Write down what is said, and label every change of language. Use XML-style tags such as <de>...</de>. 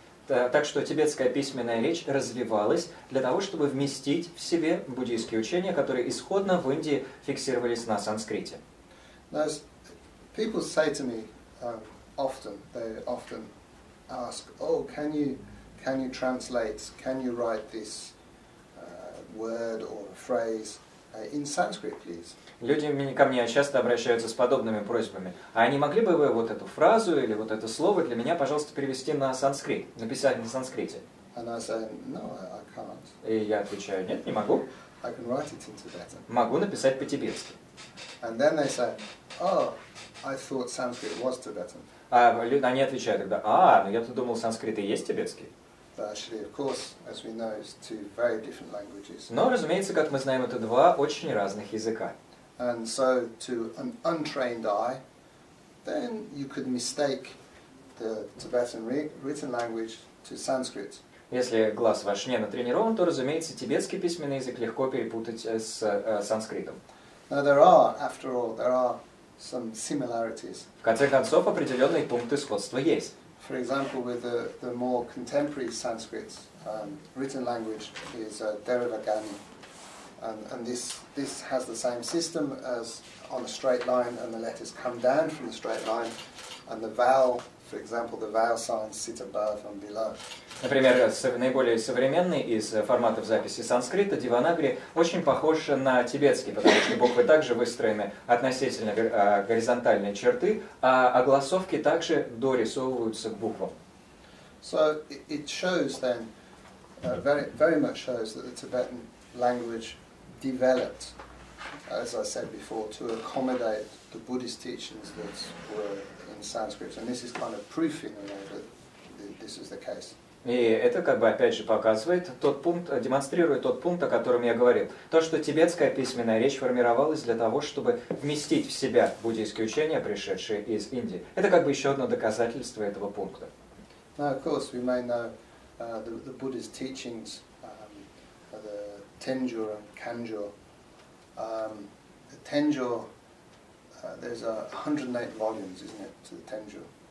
<ru>Так что тибетская письменная речь развивалась для того, чтобы вместить в себе буддийские учения, которые исходно в Индии фиксировались на санскрите.</ru> <en>Now, people say to me often, they often ask, "Oh, can you translate? Can you write this word or phrase in Sanskrit, please?"</en> <ru>Люди ко мне часто обращаются с подобными просьбами. А не могли бы вы вот эту фразу или вот это слово для меня, пожалуйста, перевести на санскрит, написать на санскрите?</ru> <en>And I say, "No, I can't."</en> <ru>И я отвечаю: "Нет, не могу."</ru> <en>I can write it in Tibetan.</en> <ru>Могу написать по-тибетски.</ru> <en>And then they say, "Oh, I thought Sanskrit was Tibetan."</en> <ru>Они отвечают тогда: но я-то думал, санскрит и есть тибетский.</ru> <en>But actually, of course, as we know, it's two very different languages.</en> <ru>Но, разумеется, как мы знаем, это два очень разных языка.</ru> <en>And so, to an untrained eye, then you could mistake the Tibetan written language to Sanskrit.</en> <ru>Если глаз ваш не натренирован, то, разумеется, тибетский письменный язык легко перепутать с санскритом.</ru> <en>Now there are, after all, there are some similarities.</en> <ru>В конце концов, определенные пункты сходства есть.</ru> <en>For example, with the more contemporary Sanskrit written language is Devanagari, and this has the same system as on a straight line, and the letters come down from the straight line, and the vowel, for example, the vowel signs sit above and below.</en> <ru>Например, наиболее современный из форматов записи санскрита Деванагари очень похож на тибетский, потому что буквы также выстроены относительно горизонтальной черты, а огласовки также дорисовываются к буквам.</ru> <en>So it shows then very much shows that the Tibetan language developed, as I said before, to accommodate the Buddhist teachings that were in Sanskrit, and this is kind of proof in a way that this is the case.</en> <ru>И это как бы опять же показывает тот пункт, демонстрирует тот пункт, о котором я говорил. То, что тибетская письменная речь формировалась для того, чтобы вместить в себя буддийские учения, пришедшие из Индии. Это как бы еще одно доказательство этого пункта.</ru> <en>Now, of course, we may know the Buddhist teachings, the Tenjo and Kanjo. The Tenjo, there's 108 volumes, isn't it, to the Tenjo?</en>